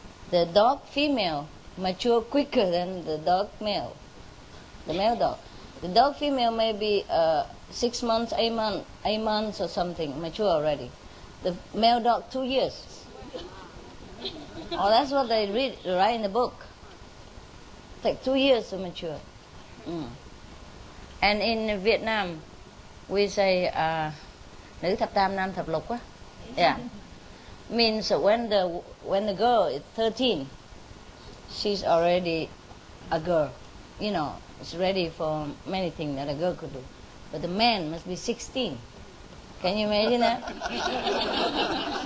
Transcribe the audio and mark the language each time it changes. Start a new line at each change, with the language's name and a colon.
English: The dog female mature quicker than the dog male, the male dog. The dog female may be 6 months, eight months or something, mature already. The male dog, 2 years. Oh, that's what they read, right in the book. Take 2 years to mature. Mm. And in Vietnam, we say,
Vietnamese: Nữ thập tam, nam thập lục.
English: Yeah. Means when the girl is 13, she's already a girl. You know, it's ready for many things that a girl could do. But the man must be 16. Can you imagine that?